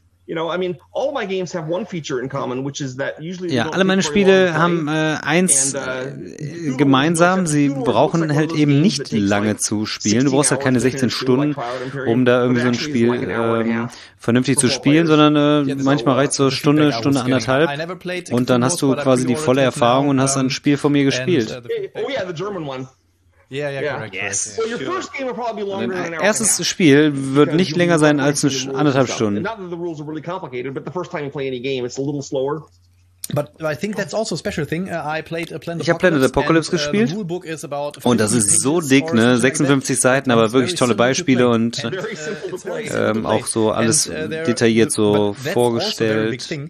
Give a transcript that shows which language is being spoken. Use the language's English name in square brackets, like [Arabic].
[English] You know, I mean, all my games have one feature in common, which is that usually. [German] Ja, alle meine Spiele haben eins gemeinsam. Sie brauchen halt eben nicht lange zu spielen. Du brauchst halt keine 16 Stunden, um da irgendwie so ein Spiel vernünftig zu spielen, sondern manchmal reicht so Stunde, anderthalb. Und dann hast du quasi die volle Erfahrung und hast ein Spiel von mir gespielt. [English] Oh yeah, the German one. Yeah, correct. So your first game will probably be longer than an hour. [German] Erstes Spiel wird nicht länger sein als anderthalb Stunden. [English] Not that the rules are really complicated, but the first time you play any game, it's a little slower. But I think that's also a special thing. I played Planet [German] Ich habe Planet Apocalypse gespielt. Und das ist so dick, ne? 56 Seiten, aber wirklich tolle Beispiele und auch so alles detailliert so vorgestellt.